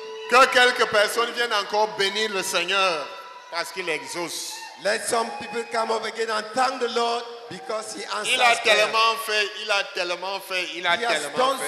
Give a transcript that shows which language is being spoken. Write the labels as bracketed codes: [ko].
[fr] Quelques personnes viennent encore bénir le Seigneur parce qu'il exauce. [en] Let some people come up again and thank the Lord because he answers. [fr] Il a tellement fait, il a tellement fait, il a tellement fait.